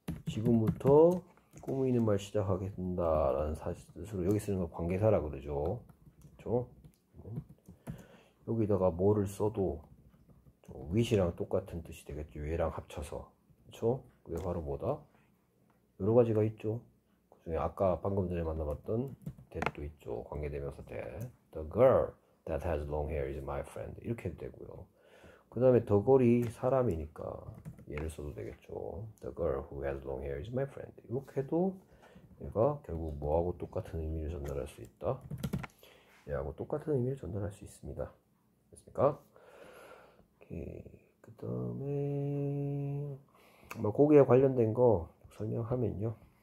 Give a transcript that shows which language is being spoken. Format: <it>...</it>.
<ko>지금부터 꾸미는 말 시작하겠습니다라는 사실으로 여기 쓰는 거 관계사라 그러죠. 그렇죠? 여기다가 뭐를 써도 which이랑 똑같은 뜻이 되겠죠. 얘랑 합쳐서. 그렇죠? 그게 바로 뭐다? 여러 가지가 있죠. 그중에 아까 방금 전에 만나봤던 that도 있죠. 관계대명사 that.</ko> <en>The girl that has long hair is my friend.</en> <ko>이렇게 해도 되고요. 그 다음에 the girl이 사람이니까 얘를 써도 되겠죠.</ko> <en>The girl who has long hair is my friend.</en> <ko>이렇게 해도 얘가 결국 뭐하고 똑같은 의미를 전달할 수 있다? 얘하고 똑같은 의미를 전달할 수 있습니다. 됐습니까? 그 다음에 뭐 거기에 관련된 거 설명하면요.</ko>